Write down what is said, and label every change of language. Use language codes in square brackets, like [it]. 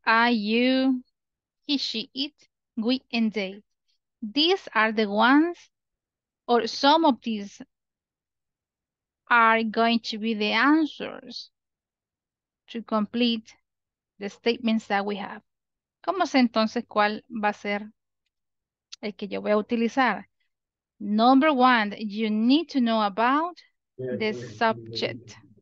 [en] I, you, he, she, it, we, and they. These are the ones, or some of these are going to be the answers to complete the statements that we have. [es] ¿Cómo sé entonces cuál va a ser el que yo voy a utilizar? [en] Number one, you need to know about the subject.